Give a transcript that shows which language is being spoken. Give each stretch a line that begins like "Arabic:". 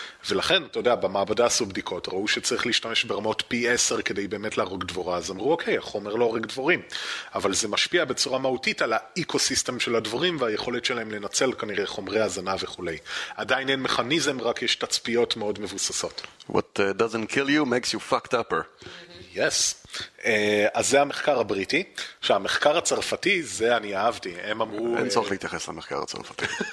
Hebrew: ולכן, אתה יודע, במעבדה עשו בדיקות, ראו שצריך להשתמש ברמות פי 10 כדי באמת להרוג דבורה, אז אמרו, אוקיי, החומר לא הורג דבורים. אבל זה משפיע בצורה מהותית על האיקוסיסטם של הדבורים והיכולת שלהם לנצל כנראה חומרי הזנה וכולי. עדיין אין מכניזם, רק יש תצפיות מאוד מבוססות.
English: What doesn't kill you makes you fucked upper.
Hebrew: Yes. אז זה המחקר הבריטי. עכשיו, המחקר הצרפתי, זה אני אהבתי. הם אמרו... אין צורך להתייחס למחקר הצרפתי.